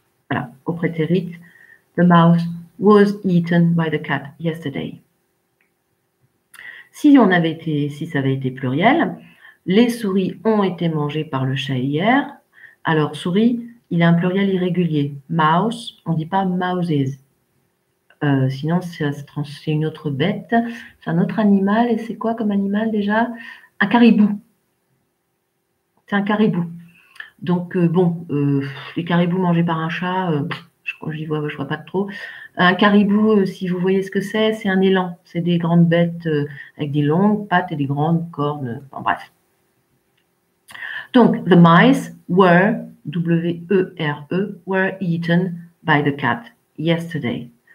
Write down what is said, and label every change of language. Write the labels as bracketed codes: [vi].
[fr] Voilà, au prétérit, [en] the mouse was eaten by the cat yesterday. [fr] Si ça avait été pluriel, les souris ont été mangées par le chat hier. Alors, souris, il a un pluriel irrégulier. Mouse, on ne dit pas mouses. Sinon, c'est une autre bête, c'est un autre animal, et c'est quoi comme animal déjà? Un caribou. C'est un caribou. Donc, bon, les caribous mangés par un chat, je vois pas trop. Un caribou, si vous voyez ce que c'est un élan. C'est des grandes bêtes avec des longues pattes et des grandes cornes. Enfin, bref. [en] Donc, the mice were, W-E-R-E, were eaten by the cat yesterday.